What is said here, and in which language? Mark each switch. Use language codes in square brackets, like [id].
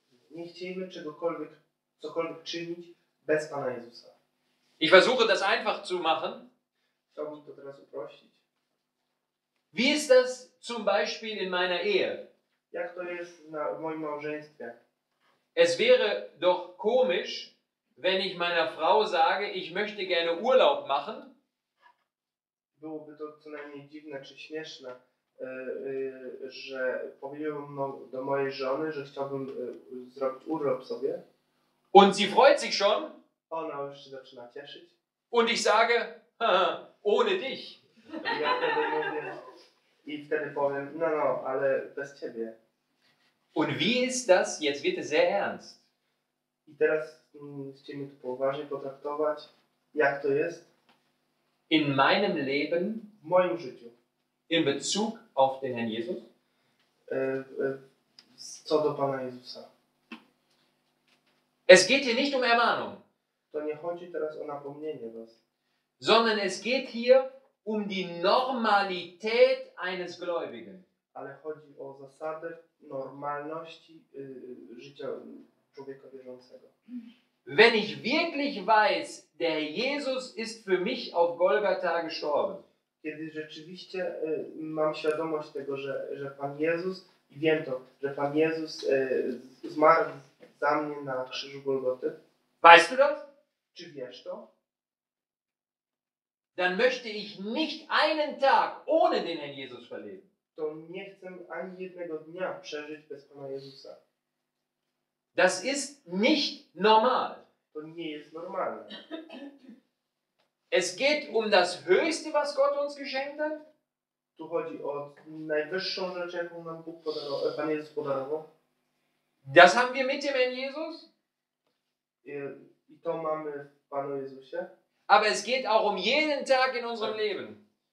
[pl] Nie chcielibyśmy cokolwiek czynić bez Pana Jezusa. [de] Ich versuche das einfach zu machen. [pl] Chciałbym to teraz uprościć. [de] Wie ist das zum Beispiel in meiner Ehe? [pl] Jak to jest w moim małżeństwie? [de] Es wäre doch komisch, wenn ich meiner Frau sage, ich möchte gerne Urlaub machen. [pl] Byłoby to co najmniej dziwne czy śmieszne, że powiedziałbym do mojej żony, że chciałbym zrobić urlop sobie. [de] Und sie freut sich schon. [pl] Ona już się zaczyna cieszyć. [de] Und ich sage, ohne dich. [pl] Ja wtedy mówię, i wtedy powiem, no, ale bez ciebie. [de] Und wie ist das? Jetzt wird es sehr ernst. [pl] I teraz chcę mnie tu poważnie potraktować. Jak to jest? [de] In meinem Leben, [pl] w moim życiu, [de] in Bezug auf den Herrn Jesus, [pl] co do Pana Jezusa. [de] Es geht hier nicht um Ermahnung. [pl] To nie chodzi teraz o napomnienie was. [de] Sondern es geht hier um die Normalität eines Gläubigen. [pl] Ale chodzi o zasadę normalności życia człowieka wierzącego. [de] Wenn ich wirklich weiß, der Jesus ist für mich auf Golgatha gestorben. [pl] Kiedy rzeczywiście mam świadomość tego, że Pan Jezus, i wiem to, że Pan Jezus zmarł za mnie na krzyżu Golgoty. [de] Weißt du das? [pl] Czy wiesz to? [de] Dann möchte ich nicht einen Tag ohne den Herrn Jesus verleben. [pl] To nie chcę ani jednego dnia przeżyć bez Pana Jezusa. [de] Das ist nicht normal. [pl] To nie jest normalne. [de] Es geht um das Höchste, was Gott uns geschenkt hat. [pl] Tu chodzi o najwyższą rzecz, jaką nam Bóg podarował, Pan Jezus podarował. [de] Das haben wir mit dem Herrn Jesus. [pl] I to mamy w Panu Jezusie. [de] Aber es geht auch um jeden Tag in unserem Leben.